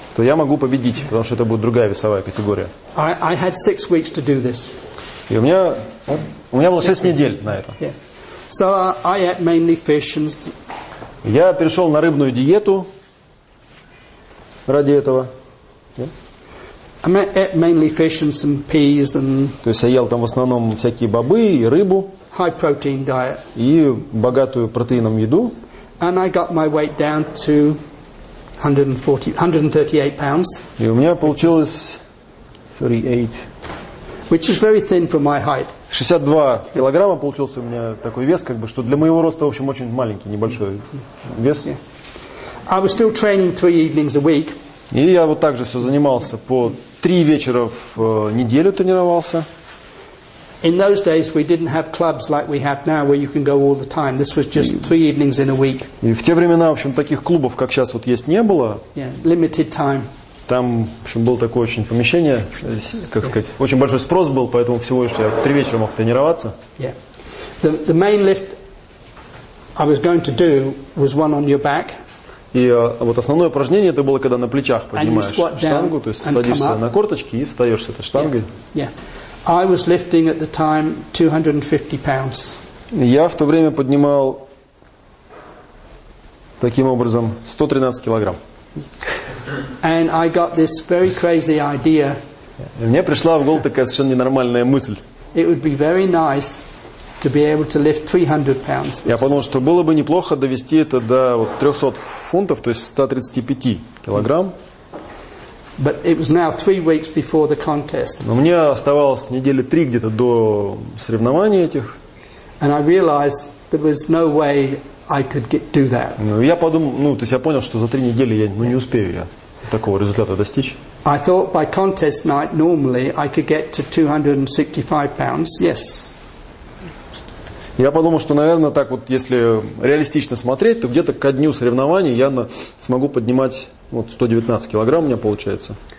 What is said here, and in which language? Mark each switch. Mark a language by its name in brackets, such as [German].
[Russian] То я могу победить, потому что это будет другая весовая категория. [English] I had 6 weeks to do this. [Russian] И у меня было 6 недель на это. [English] Yeah. So I ate mainly fish and. [Russian] Я перешел на рыбную диету ради этого. Yeah. [English] I ate mainly fish and some peas and. [Russian] То есть я ел там в основном всякие бобы и рыбу. [English] High protein diet. [Russian] И богатую протеином еду. [English] And I got my weight down to 138 pounds. [Russian] И у меня получилось 38. [English] Which is very thin for my height. [Russian] 62 килограмма получился у меня такой вес, как бы, что для моего роста, в общем, очень маленький, небольшой вес. [English] Yeah. I was still training 3 evenings a week. [Russian] И я вот так же все занимался по 3 вечера в неделю тренировался. [English] In those days we didn't have clubs like we have now where you can go all the time. This was just 3 evenings in a week. [Russian] И в те времена, в общем, таких клубов, как сейчас вот есть, не было. [English] Yeah, limited time. [Russian] Там, в общем, было такое очень помещение, как сказать, очень большой спрос был, поэтому всего лишь я 3 вечера мог тренироваться. Yeah. [English] The main lift I was going to do was one on your back. [Russian] И вот основное упражнение это было, когда на плечах поднимаешь штангу, то есть садишься на корточки и встаешь с этой штангой. [English] Yeah. Yeah. I was lifting at the time 250 pounds. [Russian] Я в то время поднимал таким образом 113 килограмм. [English] And I got this very crazy idea. [Russian] И мне пришла в голову такая совершенно ненормальная мысль. [English] It would be very nice. To be able to lift 300 pounds. [Russian] Я подумал, что было бы неплохо довести это до вот 300 фунтов, то есть 135 килограмм. [English] But it was now 3 weeks before the contest. [Russian] Но мне оставалось недели 3 где-то до соревнований этих. [English] And I realized there was no way I could do that. [Russian] Ну я подумал, ну то есть я понял, что за 3 недели я, ну, не успею я такого результата достичь. [English] I thought by contest night normally I could get to 265 pounds. Yes. [Russian] Я подумал, что, наверное, так вот, если реалистично смотреть, то где-то ко дню соревнований я смогу поднимать вот 119 килограмм у меня получается.